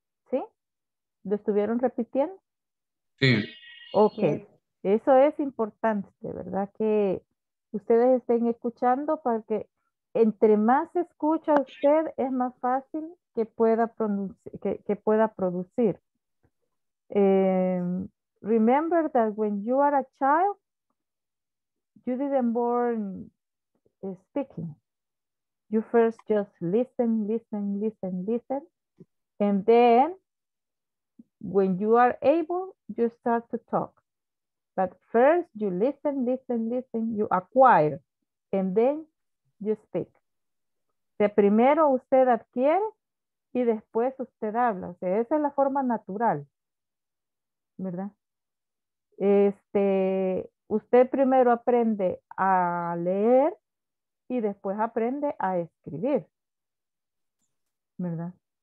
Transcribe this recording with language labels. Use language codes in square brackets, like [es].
[es] ¿Sí? ¿Lo estuvieron repitiendo? Sí. Ok, eso es importante, ¿verdad? Que ustedes estén escuchando porque entre más escucha usted, es más fácil que pueda producir. [en] Remember that when you are a child, you didn't born speaking. You first just listen. And then when you are able, you start to talk. But first you listen, you acquire, and then you speak. [es] De primero usted adquiere y después usted habla. O sea, esa es la forma natural, ¿verdad? Usted primero aprende a leer y después aprende a escribir, ¿verdad?